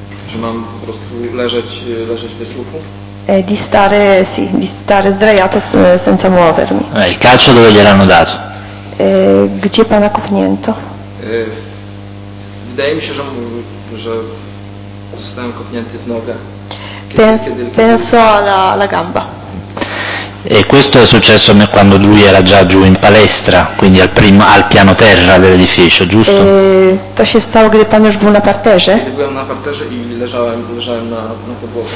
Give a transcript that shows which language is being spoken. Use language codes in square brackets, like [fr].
[pl] Że mam po prostu leżeć bez ruchu. [it] Di stare sdraiato senza muovermi. Il calcio dove gliel'hanno dato? [pl] Gdzie pana kopnięto? Wydaje mi się, że zostałem kopnięty w nogę. [it] Penso alla gamba. E questo è successo quando lui era già giù in palestra, quindi al piano terra dell'edificio, giusto? [pl] To się stało, gdy pan już był na parterze. Kiedy byłem na parterze i leżałem na podłodze.